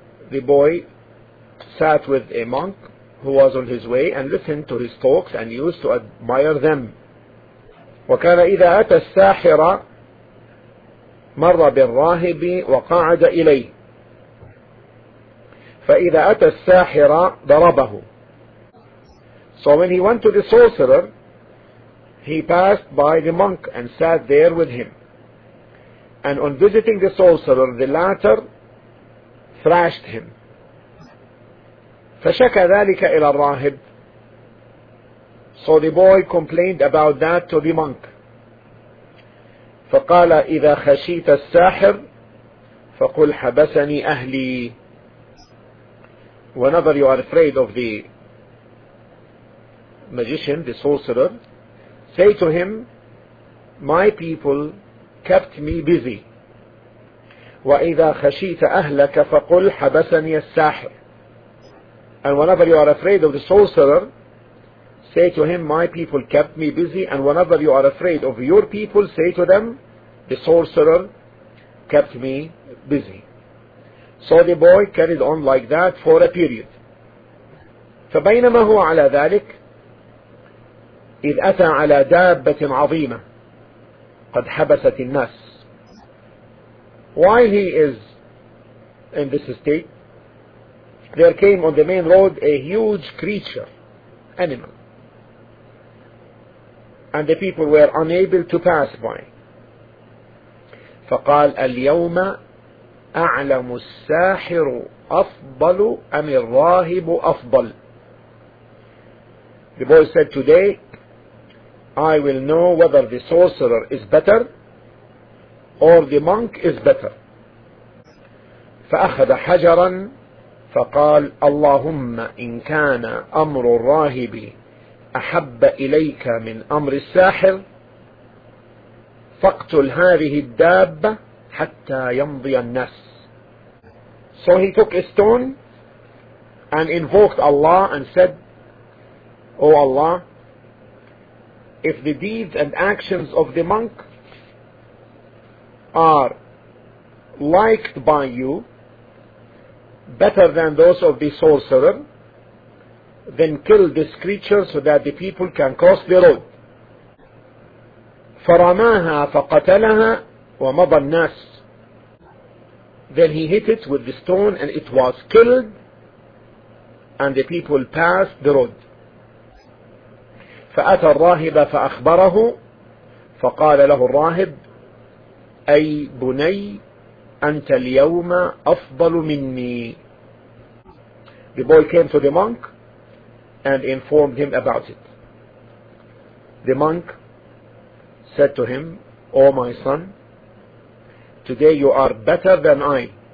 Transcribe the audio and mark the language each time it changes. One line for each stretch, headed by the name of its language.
English: The boy sat with a monk who was on his way and listened to his talks and used to admire them.
Arabic: وكان إذا أتى الساحر مر بالراهب وقعد إليه فإذا أتى الساحر ضربه.
English: So when he went to the sorcerer, he passed by the monk and sat there with him. And on visiting the sorcerer, the latter thrashed him.
Arabic: فَشَكَ ذَلِكَ إِلَى الرَّاهِبِ.
English: So the boy complained about that to the monk.
Arabic: فَقَالَ إِذَا خَشِيتَ السَّاحِرِ فَقُلْ حَبَسَنِي أَهْلِي.
English: Whenever you are afraid of the magician, the sorcerer, say to him, my people kept me busy.
Arabic: وَإِذَا خَشِيتَ أَهْلَكَ فَقُلْ حَبَسَنِيَ السَّاحِرِ.
English: And whenever you are afraid of the sorcerer, say to him, my people kept me busy. And whenever you are afraid of your people, say to them, the sorcerer kept me busy. So the boy carried on like that for a period.
Arabic: فَبَيْنَمَا هُوَ عَلَى ذَلِكَ إذ أتى على دابة عظيمة قد حبست الناس.
English: While he is in this state, there came on the main road a huge creature, animal, and the people were unable to pass by.
Arabic: فقال اليوم أعلم الساحر أفضل أم الراهب أفضل.
English: The boy said, today I will know whether the sorcerer is better or the monk is better.
Arabic: فأخذ حجرا فقال اللهم إن كان أمر الراهب أحب إليك من أمر الساحر فاقتل هذه الدابة حتى يمضي الناس.
English: So he took a stone and invoked Allah and said, O Allah, if the deeds and actions of the monk are liked by you better than those of the sorcerer, then kill this creature so that the people can cross the road.
Arabic: فَرَمَاهَا فَقَتَلَهَا وَمَضَى النَّاسِ.
English: Then he hit it with the stone and it was killed, and the people passed the road.
Arabic: فأتى الراهب فأخبره فقال له الراهب أي بني أنت اليوم أفضل مني.
English: The boy came to the monk and informed him about it. The monk said to him, O my son, today you are better than I.